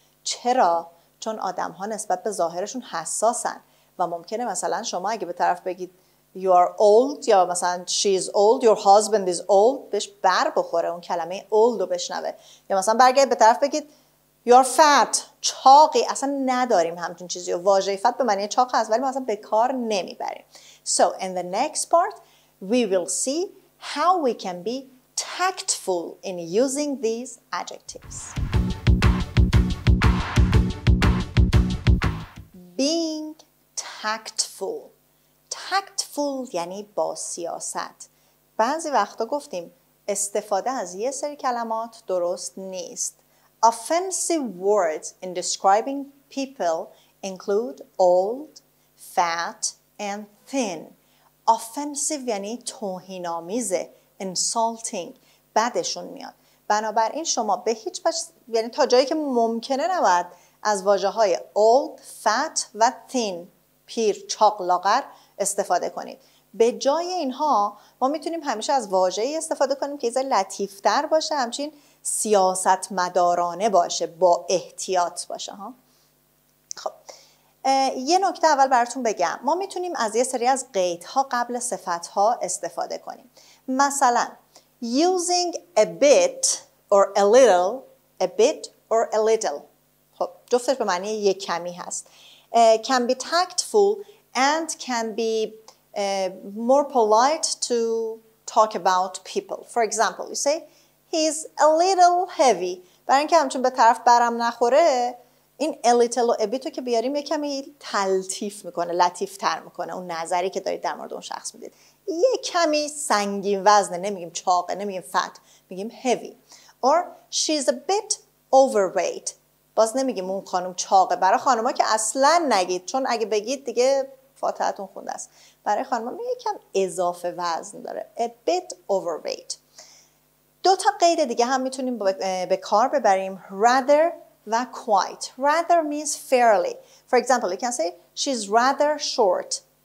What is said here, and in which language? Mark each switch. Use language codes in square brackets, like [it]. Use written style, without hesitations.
[fa] چرا؟ چون آدم ها نسبت به ظاهرشون حساسن و ممکنه مثلا شما اگه به طرف بگید [en] you are old [fa] یا مثلا [en] she is old, your husband is old [fa] بهش بر بخوره اون کلمه old رو بشنوه. یا مثلا برگرد به طرف بگید [en] you are fat, [fa] چاقی. اصلا نداریم همچون چیزی. واژه فت به معنی چاق هست ولی ما اصلا به کار نمیبریم. [en] So in the next part we will see how we can be tactful in using these adjectives. Being tactful. Tactful [fa] یعنی با سیاست. بعضی وقتا گفتیم استفاده از یه سری کلمات درست نیست. [en] Offensive words in describing people include old, fat, and thin. [fa] Offensive یعنی توهین‌آمیز، insulting، بدشون میاد. بنابراین شما به هیچ وجه یعنی تا جایی که ممکنه نباید از واژه‌های old, fat و thin، پیر، چاق، لاغر استفاده کنید. به جای اینها ما میتونیم همیشه از واژه‌ای استفاده کنیم که یه لطیف‌تر باشه، همچنین سیاست مدارانه باشه، با احتیاط باشه ها. خب یه نکته اول براتون بگم، ما میتونیم از یه سری از قیدها قبل صفتها استفاده کنیم. مثلا [en] using a bit or a little. A bit or a little. [fa] خب جفتش به معنی یک کمی هست. [en] Can be tactful and can be more polite to talk about people. For example, you say he's a little heavy. [fa] برای اینکه همچون به طرف برم نخوره این a little و a bit رو که بیاریم یک کمی تلطیف میکنه، لطیف تر میکنه اون نظری که دارید در مورد اون شخص میدید. یک کمی سنگین وزنه، نمیگیم چاقه، نمیگیم fat، میگیم heavy. [en] Or she's a bit overweight. [fa] باز نمیگیم اون خانم چاقه. برای خانما که اصلا نگید، چون اگه بگید دیگه فاتحتون خونده است. برای خانما میگه کم اضافه وزن داره. [en] A bit overweight. [fa] دو تا قید دیگه هم میتونیم به کار ببریم. [en] Rather و quite. Rather means fairly. For example, you can say she's rather short.